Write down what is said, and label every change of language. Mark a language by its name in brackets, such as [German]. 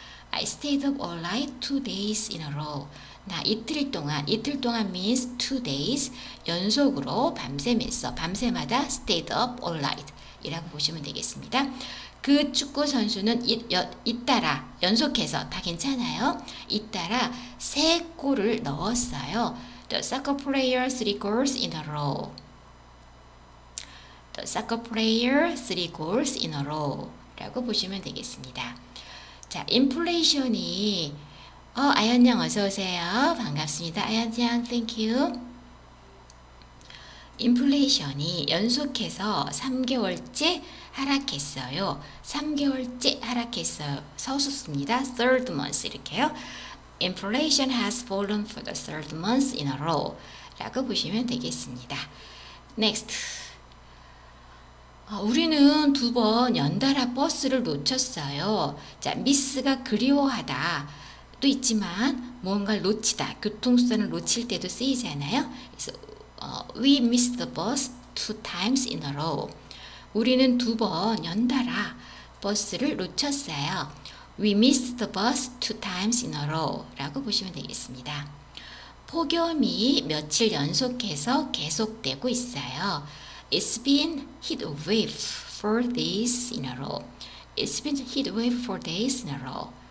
[English] I stayed up all night 2 days in a row. [Korean] 나 이틀 동안 [English] means 2 days [Korean] 연속으로 밤샘 했어. 밤샘하다 stayed up all night 이라고 보시면 되겠습니다. 그 축구 선수는 잇따라 연속해서 다 괜찮아요. 잇따라 세 골을 넣었어요. [English] The soccer player three goals in a row. The soccer player three goals in a row [Korean] 라고 보시면 되겠습니다. 자, 인플레이션이 아연양 어서 오세요. 반갑습니다. 아연양, [English] thank you. [Korean] 인플레이션이 연속해서 3개월째 하락했어요. 3개월째 하락했어요. 서술습니다. [English] third month 이렇게요. Inflation has fallen for the third month in a row. [Korean] 라고 보시면 되겠습니다. [English] Next. [Korean] 우리는 두 번 연달아 버스를 놓쳤어요. 자, 미스가 그리워하다 또 있지만 뭔가를 놓치다, 교통수단을 놓칠 때도 쓰이잖아요. 그래서, [English] we missed the bus two times in a row. [Korean] 우리는 두 번 연달아 버스를 놓쳤어요. [English] We missed the bus two times in a row [Korean] 라고 보시면 되겠습니다. 폭염이 며칠 연속해서 계속되고 있어요. [English] It's been heat wave for days in a row. It's been heat wave for days in a row.